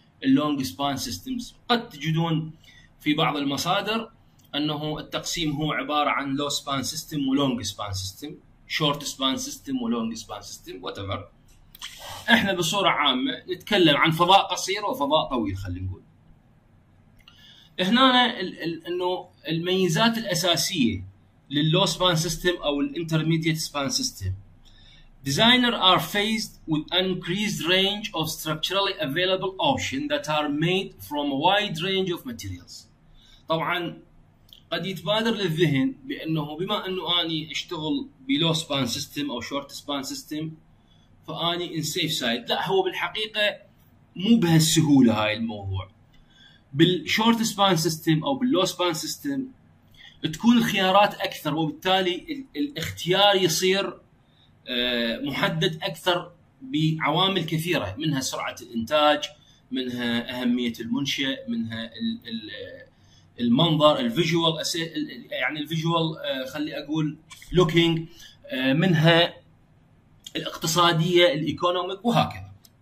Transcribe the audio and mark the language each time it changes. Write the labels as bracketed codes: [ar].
[ar] اللونج سبان سيستمز. قد تجدون في بعض المصادر انه التقسيم هو عباره عن لو سبان سيستم ولونج سبان سيستم، شورت سبان سيستم ولونج سبان سيستم، واتفر. احنا بصوره عامه نتكلم عن فضاء قصير وفضاء طويل. خلينا نقول هنا انه الميزات الاساسيه لللو سبان سيستم او الانترميديت سبان سيستم: [en] Designer are faced with an increased range of structurally available options that are made from a wide range of materials. [ar] طبعا قد يتبادر للذهن بانه بما انه اني اشتغل بلو سبان سيستم او شورت سبان سيستم فاني [en] In safe side. [ar] لا، هو بالحقيقه مو بهالسهوله هاي الموضوع. بالشورت سبان سيستم او باللو سبان سيستم تكون الخيارات اكثر، وبالتالي الاختيار يصير محدد اكثر بعوامل كثيره، منها سرعه الانتاج، منها اهميه المنشئ، منها المنظر الفيجوال، يعني الفيجوال خلي اقول لوكينج، منها الاقتصاديه الايكونوميك وهكذا.